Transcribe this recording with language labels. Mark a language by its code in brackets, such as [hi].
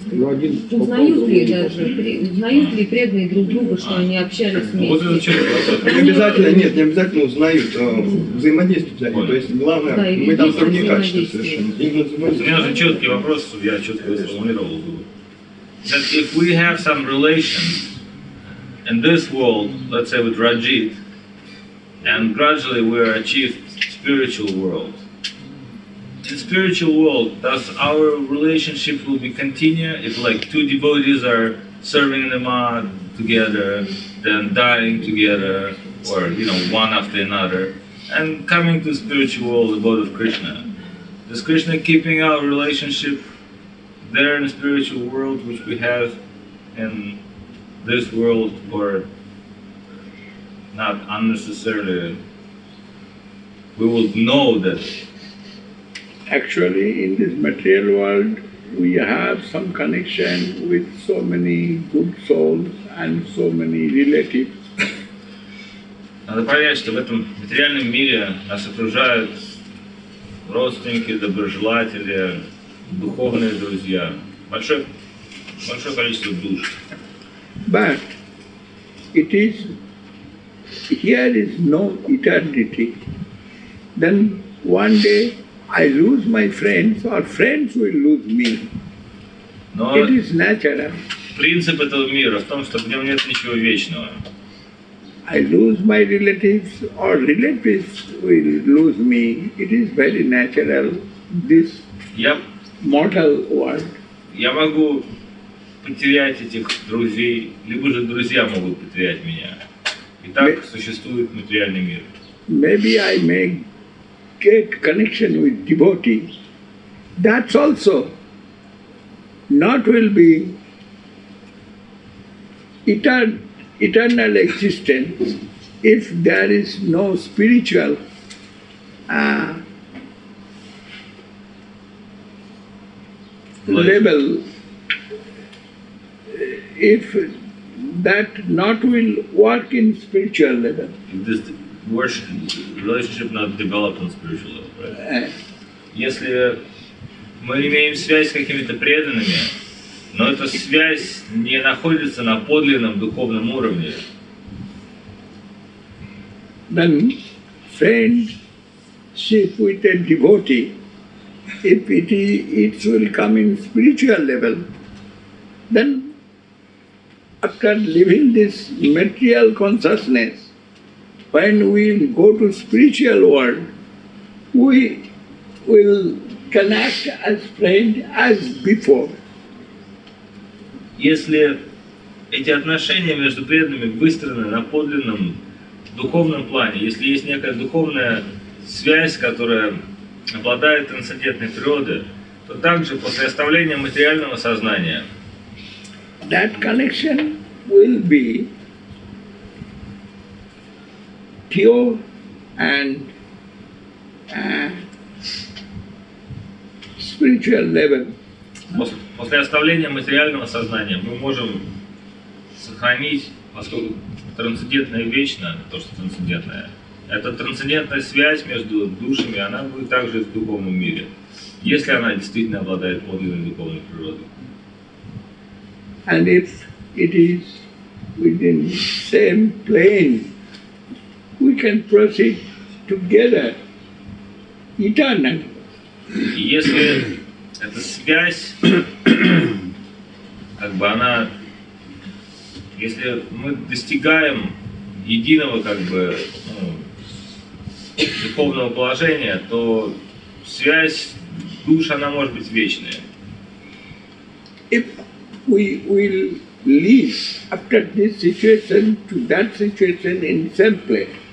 [ru] Узнают ли преданные друг друга, что они общались вместе? Вот это человек. Не обязательно узнают, а взаимодействуют. То есть главное, мы там другие качества совершенно. У меня же четкий вопрос, я четко сформулировал. [en] If we have some relations in this world, let's say with Rajit, and gradually we achieve spiritual world, in spiritual world, does our relationship will be continue? If like two devotees are serving the mad together, then dying together, or you know, one after another, and coming to spiritual world, the abode of Krishna, does Krishna keeping our relationship there in the spiritual world, which we have in this world, or not unnecessarily? We will know that. Actually, in this material world, we have some connection with so many good souls and so many relatives. [ru] Надо понять, что в этом материальном мире нас окружают родственники, доброжелатели, духовные друзья, большое количество душ. [en] But it is here is no eternity. Then one day I lose my friends, or friends will lose me. [ru] Но [en] it is natural. [ru] Принцип этого мира в том, что в нем нет ничего вечного. [en] I lose my relatives, or relatives will lose me. It is very natural, this mortal world. [ru] Я могу потерять этих друзей, либо же друзья могут потерять меня. И так существует материальный мир. [en] Maybe I may get connection with devotee, that's also not will be eternal existence if there is no spiritual level. If that not will work in spiritual level. Relationship not developed on spiritual level, right? [ru] Если мы имеем связь с какими-то преданными, но эта связь не находится на подлинном духовном уровне, [en] then friendship with a devotee, if it will come in spiritual level, then after leaving this material consciousness, when we go to spiritual world, we will connect as friend as before. [ru] Если эти отношения между преданными выстроены на подлинном духовном плане, если есть некая духовная связь, которая обладает трансцендентной природой, то также после оставления материального сознания [en] that connection will be pure and spiritual level. [ru] После оставления материального сознания мы можем сохранить, поскольку трансцендентное и вечное, то, что трансцендентное, эта трансцендентная связь между душами, она будет также в духовном мире, если она действительно обладает подлинной духовной природой. [en] And if it is within same plane, we can proceed together eternally. [ru] Если эта связь, как бы она, если мы достигаем единого, как бы, духовного положения, то связь душ, она может быть вечная. [en] If we will leave after this situation to that situation in same place,